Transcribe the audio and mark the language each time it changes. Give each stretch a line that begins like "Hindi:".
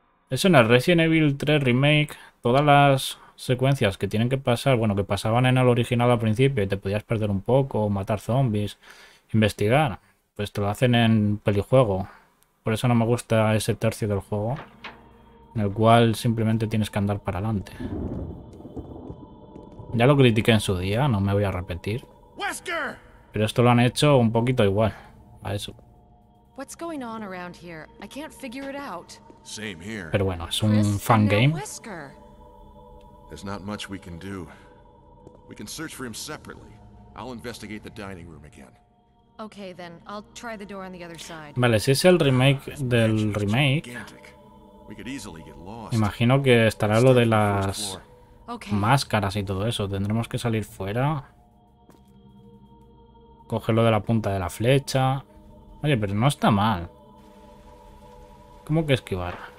Spanish: Eso en el Resident Evil 3 Remake, todas las secuencias que tienen que pasar, bueno, que pasaban en el original al principio y te podías perder un poco, matar zombies, investigar, pues te lo hacen en pelijuego. Por eso no me gusta ese tercio del juego, en el cual simplemente tienes que andar para adelante. Ya lo critiqué en su día, no me voy a repetir. ¡Wesker! Pero esto lo han hecho un poquito igual a eso.
English: What's going on around here? I can't figure it out. Same here.
Spanish: Pero bueno, es un fan game.
English: Wesker. There's not much we can do. We can search for him separately. I'll investigate the dining room again. Okay, then. I'll try the door on the other side.
Spanish: Vale, si es el remake del remake, imagino que estará lo de las máscaras y todo eso. Tendremos que salir fuera. Cogerlo de la punta de la flecha. Oye, pero no está mal. ¿Cómo que esquivar?